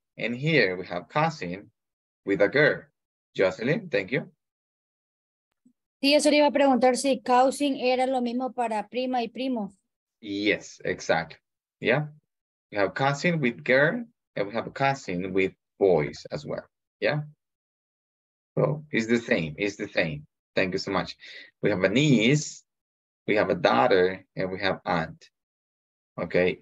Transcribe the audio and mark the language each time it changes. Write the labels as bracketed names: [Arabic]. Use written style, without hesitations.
[English] And here we have cousin with a girl. Jocelyn, thank you. [Spanish] Sí, eso le iba a preguntar si cousin era lo mismo para prima y primo. [English] Yes, exactly. Yeah. We have cousin with girl, and we have a cousin with boys as well. Yeah. So it's the same. It's the same. Thank you so much. We have a niece, we have a daughter, and we have aunt. Okay.